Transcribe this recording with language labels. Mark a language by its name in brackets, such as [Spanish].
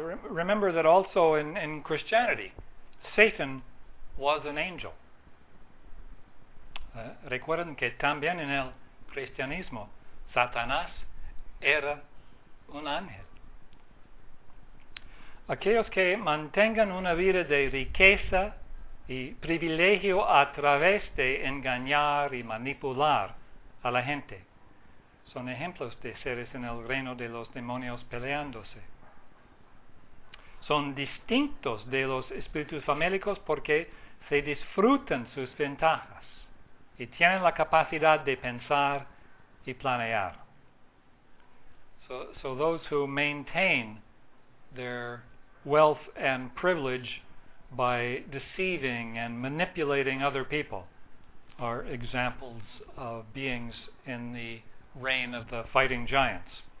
[English] Remember that also in Christianity, Satan was an angel. [Spanish] Recuerden que también en el cristianismo, Satanás era un ángel. Aquellos que mantengan una vida de riqueza y privilegio a través de engañar y manipular a la gente son ejemplos de seres en el reino de los demonios peleándose. Son distintos de los espíritus famélicos porque se disfrutan sus ventajas y tienen la capacidad de pensar y planear. [English] So those who maintain their wealth and privilege by deceiving and manipulating other people are examples of beings in the reign of the fighting giants.